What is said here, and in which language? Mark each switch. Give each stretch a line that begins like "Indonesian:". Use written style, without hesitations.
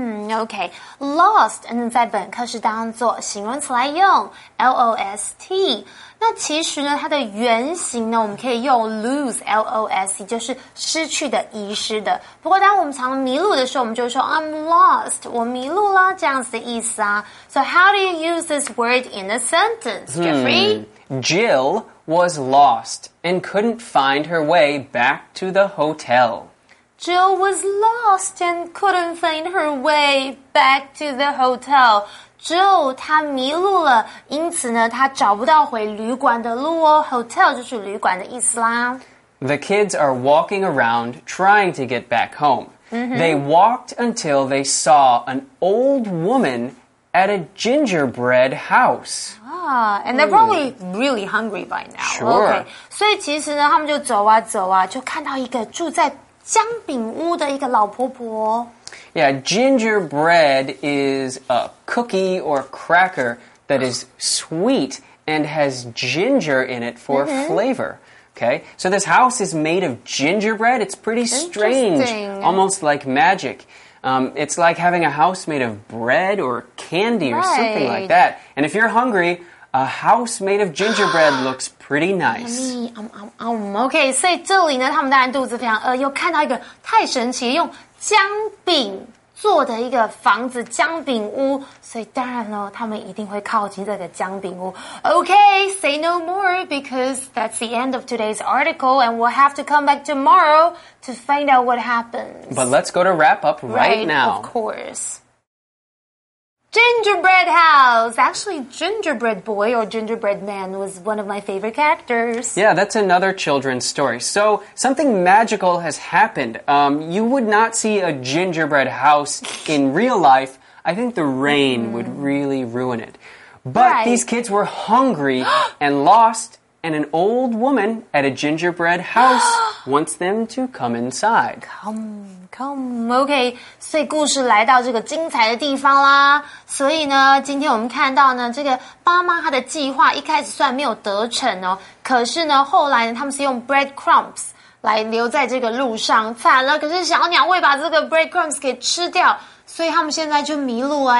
Chinese: Okay, lost 在本课是当作形容词来用 L-O-S-T 那其实呢它的原型呢我们可以用 lose L-O-S-T 就是失去的遗失的不过当我们常迷路的时候我们就说
English: I'm lost
Chinese: 我迷路了这样子的意思啊
English: So how do you use this word in a sentence, Jeffrey? Jill was lost and couldn't find her way back to the hotel Jill was lost and couldn't find her way back to the hotel.
Chinese: Jill, 她迷路了，因此呢，她找不到回旅馆的路哦。 Hotel 就是旅馆的意思啦。
English: The kids are walking around trying to get back home. Mm-hmm. They walked until they saw an old woman at a gingerbread house. And they're probably really hungry by now. Sure. Okay.
Chinese: 所以其实呢，他们就走啊走啊，就看到一个住在姜饼屋的一个老婆婆。
English: Yeah, gingerbread is a cookie or cracker that is sweet and has ginger in it for flavor. Okay, so this house is made of gingerbread. It's pretty strange, almost like magic. It's like having a house made of bread or candy or something like that. And if you're hungry, a house made of gingerbread looks pretty nice.
Chinese: Okay, 所以这里呢，他们当然肚子非常饿，又看到一个太神奇，用姜饼做的一个房子，姜饼屋。所以当然了，他们一定会靠近这个姜饼屋。
English: Okay, say no more because that's the end of today's article, and we'll have to come back tomorrow to find out what happens. But let's go to wrap up right now. Of course. Gingerbread House! Actually, Gingerbread Boy or Gingerbread Man was one of my favorite characters. Yeah, that's another children's story. So, something magical has happened. You would not see a gingerbread house in real life. I think the rain would really ruin it. But these kids were hungry and lost, and an old woman at a gingerbread house wants them to come inside.
Chinese: Okay, 所以故事来到这个精彩的地方啦。所以呢，今天我们看到呢，这个爸妈他的计划一开始虽然没有得逞哦，可是呢，后来呢，他们是用 breadcrumbs 来留在这个路上。惨了，可是小鸟会把这个 breadcrumbs 给吃掉，所以他们现在就迷路了。